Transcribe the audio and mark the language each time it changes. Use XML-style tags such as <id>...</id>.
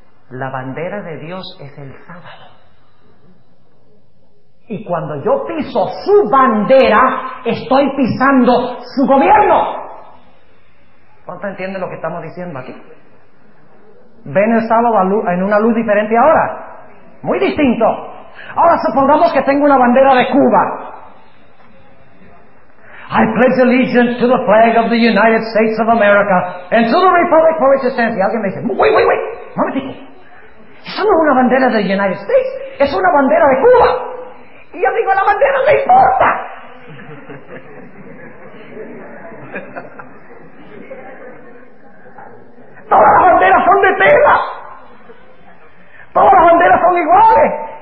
<es>La bandera de Dios es el sábado, y cuando yo piso su bandera, estoy pisando su gobierno. ¿Cuánto entiende lo que estamos diciendo aquí? ¿Ven el sábado en una luz diferente ahora? Muy distinto. Ahora supongamos que tengo una bandera de Cuba.</es> <en>I pledge allegiance to the flag of the United States of America and to the Republic for which it stands.</en> <es>Y alguien me dice,</es> <en>wait,</en> <es>un momentico. Eso no es una bandera de United States, es una bandera de Cuba. Y yo digo, la bandera no importa. Todas las banderas son de tela. Todas las banderas son iguales.</es>